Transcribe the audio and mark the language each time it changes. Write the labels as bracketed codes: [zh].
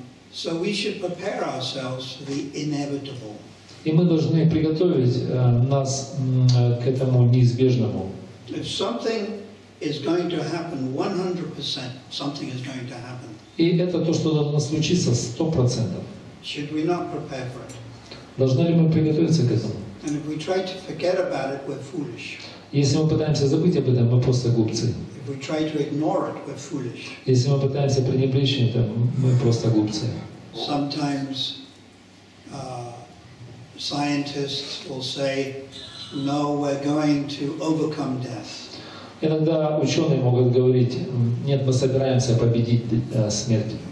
[en] So we should prepare ourselves for the inevitable. [ru] И мы должны приготовить нас к этому неизбежному. [en] If something is going to happen 100%, something is going to happen. [ru] И это то, что должно случиться 100%. [en] Should we not prepare for it? [ru] Должны ли мы приготовиться к этому? [en] And if we try to forget about it, we're foolish. [ru] Если мы пытаемся забыть об этом, мы просто глупцы. [en] If we try to ignore it, we're foolish. [ru] Если мы пытаемся пренебречь это, мы просто глупцы. [en] Sometimes scientists will say, no, we're going to overcome death. [ru] Иногда ученые могут говорить, нет, мы собираемся победить смерть.